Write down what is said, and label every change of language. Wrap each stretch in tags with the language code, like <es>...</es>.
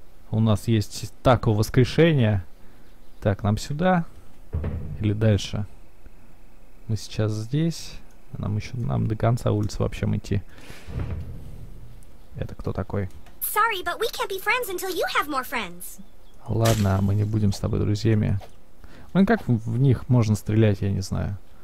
<ru>У нас есть тако воскрешения. Так, нам сюда или дальше? Мы сейчас здесь. Нам до конца улицы вообще идти. Это кто такой?</ru> <en>Sorry, but we can't be friends until you have more friends.</en> <ru>Ладно, мы не будем с тобой друзьями. Ну как в них можно стрелять, я не знаю.</ru>